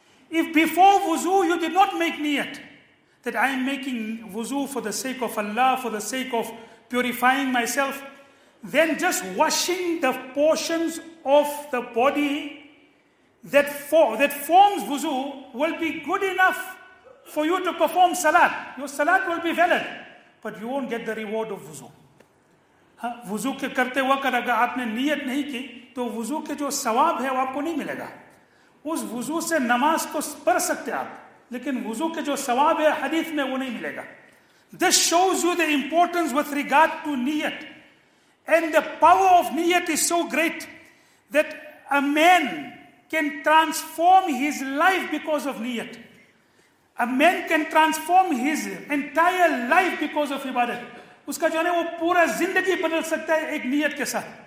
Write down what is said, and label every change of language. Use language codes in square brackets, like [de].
[en] If before wuzu you did not make niyat, that I am making wuzu for the sake of Allah, for the sake of purifying myself, then just washing the portions of the body that forms wuzu will be good enough for you to perform salat. Your salat will be valid, but you won't get the reward of wuzu. [ur] وضو کے کرتے وقت اگر آپ نے نیت نہیں کی تو وضو کے جو ثواب ہے وہ آپ کو نہیں ملے گا. اس وضو سے نماز کو پڑھ سکتے آپ, لیکن وضو کے جو ثواب ہے حدیث میں وہ نہیں ملے گا. [en] This shows you the importance with regard to niyat. And the power of niyat is so great that a man can transform his life because of niyat. A man can transform his entire life because of ibadat. [ur] اس کا جو ہے وہ پورا زندگی بدل سکتا ہے ایک نیت کے ساتھ.